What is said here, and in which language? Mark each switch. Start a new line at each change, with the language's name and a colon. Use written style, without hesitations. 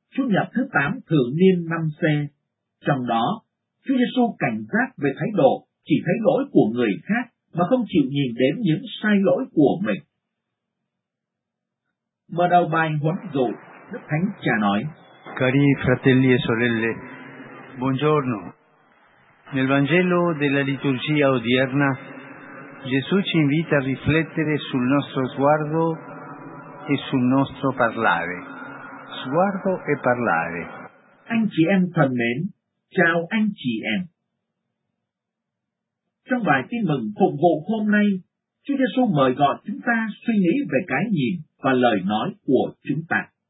Vietnamese: Chủ nhật thứ 8 thường niên năm C. Trong đó, Chúa Giêsu cảnh giác về thái độ chỉ thấy lỗi của người khác mà không chịu nhìn đến những sai lỗi của mình. Mở đầu bài huấn dụ, Đức Thánh Cha nói:
Italian: Cari fratelli e sorelle, buongiorno. Nel Vangelo della liturgia odierna, Gesù ci invita a riflettere sul nostro sguardo e sul nostro parlare. Sguardo e parlare.
Vietnamese: Anh chị em thân mến, chào anh chị em. Trong bài tin mừng phục vụ hôm nay, Chúa Giêsu mời gọi chúng ta suy nghĩ về cái nhìn và lời nói của chúng ta.